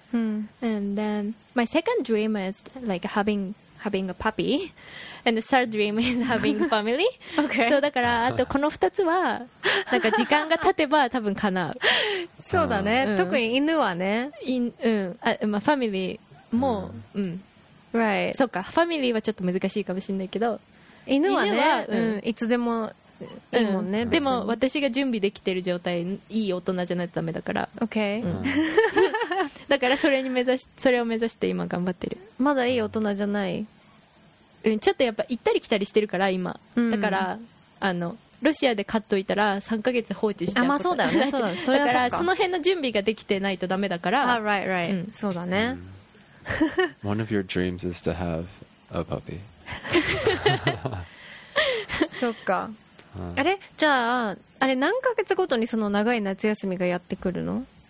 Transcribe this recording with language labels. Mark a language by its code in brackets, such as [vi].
[en] And then my second dream is like having a puppy. And the third dream is having a family. Okay. [ja] そうだから、あとこの2つは、なんか時間が経てば多分かな。そうだね。特に犬はね。まあ、ファミリーも、 [en] Right. [ja] そうか。ファミリーはちょっと難しいかもしれないけど。犬はね、いつでも、いいもんね。でも私が準備できてる状態、いい大人じゃないとダメだから。 [en] OK、 [ja] だからそれを目指して今頑張ってる。まだいい大人じゃない、ちょっとやっぱ行ったり来たりしてるから今、だからロシアで買っといたら3ヶ月放置しちゃうこと。あ、まあそうだよね。それはだからその辺の準備ができてないとダメだから。あ、 [en] right, right. [ja] そうだね。 [en] One of your dreams is to have a puppy. [ja] そっか。あれ、じゃあ、あれ何ヶ月ごとにその長い夏休みがやってくるの？